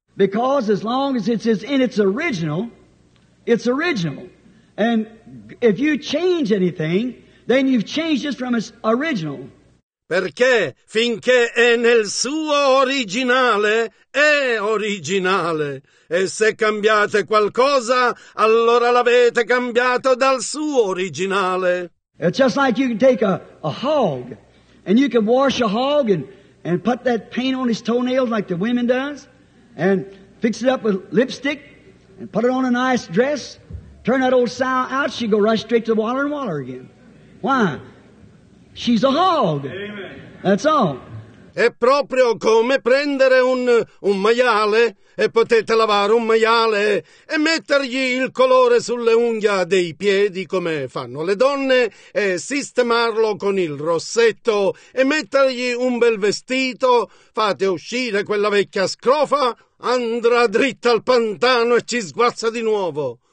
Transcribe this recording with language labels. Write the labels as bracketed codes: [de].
[en] Because as long as it's in its original, it's original. And if you change anything, then you've changed it from its original. [it] Perché finché è nel suo originale, è originale. E se cambiate qualcosa, allora l'avete cambiato dal suo originale. [en] It's just like you can take a hog, and you can wash a hog and put that paint on his toenails like the women does, and fix it up with lipstick, and put it on a nice dress, turn that old sow out, she'd go right straight to the water and water again. Why? She's a hog. Amen. That's all. [it] È proprio come prendere un maiale, e potete lavare un maiale e mettergli il colore sulle unghie dei piedi come fanno le donne e sistemarlo con il rossetto e mettergli un bel vestito, fate uscire quella vecchia scrofa, andrà dritta al pantano e ci sguazza di nuovo.